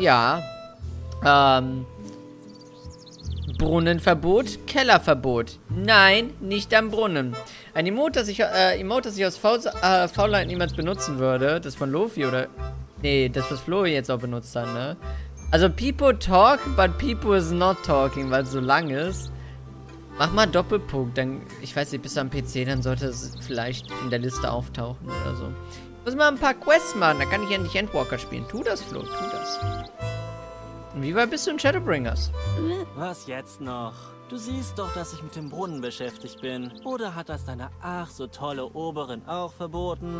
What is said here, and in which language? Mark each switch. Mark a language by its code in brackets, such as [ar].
[de] Ja. Brunnenverbot, Kellerverbot. Nein, nicht am Brunnen. Ein Emote, das ich aus Faulheit niemals benutzen würde. Das von Luffy oder... Nee, das, was Flo jetzt auch benutzt hat, ne? [en] Also, people talk, but people is not talking, [de] weil es so lang ist. Mach mal Doppelpunkt, dann... Ich weiß nicht, bis am PC, dann sollte es vielleicht in der Liste auftauchen oder so. Ich muss mal ein paar Quests machen, da kann ich endlich Endwalker spielen. Tu das, Flo, tu das. Wie weit bist du in Shadowbringers? Was jetzt noch? Du siehst doch, dass ich mit dem Brunnen beschäftigt bin. Oder hat das deine ach so tolle Oberin auch verboten?